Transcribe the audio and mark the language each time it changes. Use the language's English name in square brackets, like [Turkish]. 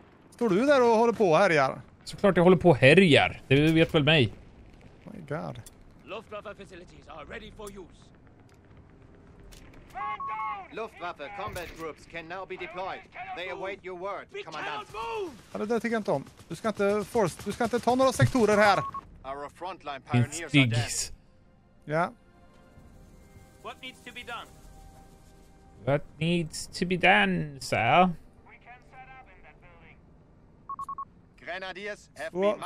[Swedish] Står du där och håller på och härjar? Såklart jag håller på och härjar. Det vet väl mig. [English] Oh my god. Luftwaffe facilities are ready for use. Luftwaffe combat groups can now be deployed. They await your word, commandant. [Swedish] Ja, det där tycker jag inte om. Du ska inte force, du ska inte ta några sektorer här. [English] Our frontline pioneers are dead. Ja. What needs to be done? What needs to be done, sir? Grenadiers have been massacred.